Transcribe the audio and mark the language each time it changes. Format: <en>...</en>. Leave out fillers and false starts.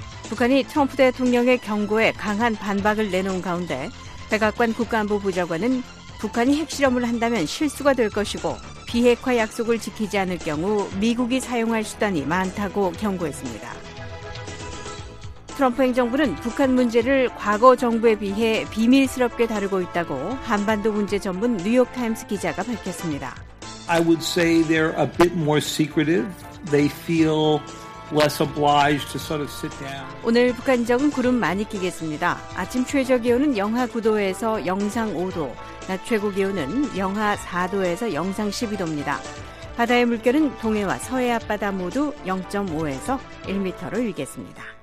<ko>북한이 트럼프 대통령의 경고에 강한 반박을 내놓은 가운데 백악관 국가안보 부좌관은 북한이 핵실험을 한다면 실수가 될 것이고 비핵화 약속을 지키지 않을 경우 미국이 사용할 수단이 많다고 경고했습니다. 트럼프 행정부는 북한 문제를 과거 정부에 비해 비밀스럽게 다루고 있다고 한반도 문제 전문 뉴욕타임스 기자가 밝혔습니다.</ko> <en>I would say they're a bit more secretive. They feel less obliged to sort of sit down.</en> <ko>오늘 북한 지역은 구름 많이 끼겠습니다. 아침 최저 기온은 영하 9도에서 영상 5도, 낮 최고 기온은 영하 4도에서 영상 12도입니다. 바다의 물결은 동해와 서해 앞바다 모두 0.5에서 1m로 일겠습니다.</ko>